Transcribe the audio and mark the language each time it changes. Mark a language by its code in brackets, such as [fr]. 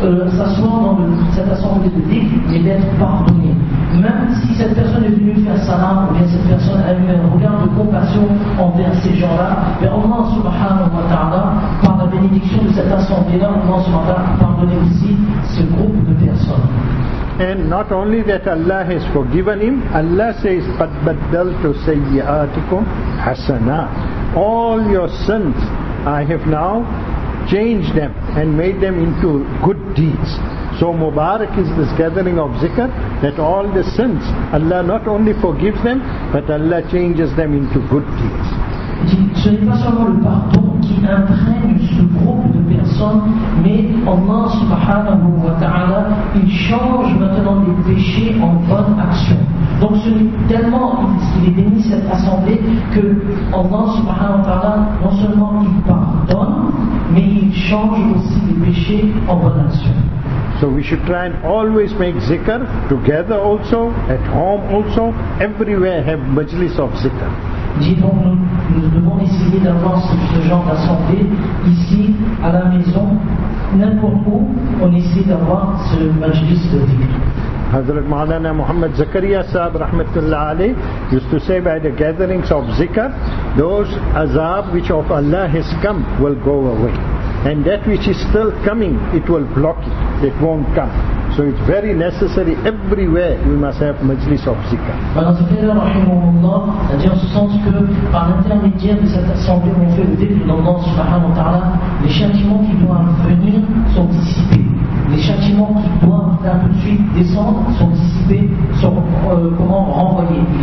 [fr] s'asseoir dans cette assemblée de dévus et d'être pardonné. Même si cette personne est venue faire salam, ou bien cette personne a eu un regard de compassion envers ces gens-là, mais Allah subhanahu wa ta'ala, par la bénédiction de cette assemblée-là, Allah subhanahu wa ta'ala a pardonné aussi ce groupe de personnes. [en] And not only that Allah has forgiven him, Allah says, [ar] قَدْ بَدَّلْتُ سَيِّئَاتِكُمْ حَسَنًا. [en] All your sins, I have now changed them and made them into good deeds. So Mubarak is this gathering of zikr, that all the sins, Allah not only forgives them, but Allah changes them into good deeds. [fr] Ce n'est pas seulement le pardon qui imprègne ce groupe de personnes, mais Allah subhanahu wa ta'ala, il change maintenant les péchés en bonnes actions. Donc ce n'est tellement qu'il est béni cette assemblée que Allah subhanahu wa ta'ala, non seulement il pardonne, mais il change aussi les péchés en bonnes actions. [en] So we should try and always make zikr together also, at home also, everywhere have majlis of zikr. [fr] Donc nous devons essayer d'avoir ce genre d'assemblée ici, à la maison, n'importe où, on essaie d'avoir ce majlis de zikr. [en] Hazrat Maulana Muhammad Zakaria Sahib Rahmatullah Alayh used to say, by the gatherings of zikr, those azab which of Allah has come will go away. And that which is still coming, it will block it. It won't come. So it's very necessary everywhere we must have majlis of zikr. [fr] Dans ce cas-là, rahimahullah, c'est-à-dire en ce sens que par l'intermédiaire de cette assemblée où on fait le dhikr d'Allah subhanahu wa ta'ala, les châtiments qui doivent venir sont dissipés. Les châtiments qui doivent là tout de suite descendre sont dissipés, sont renvoyés.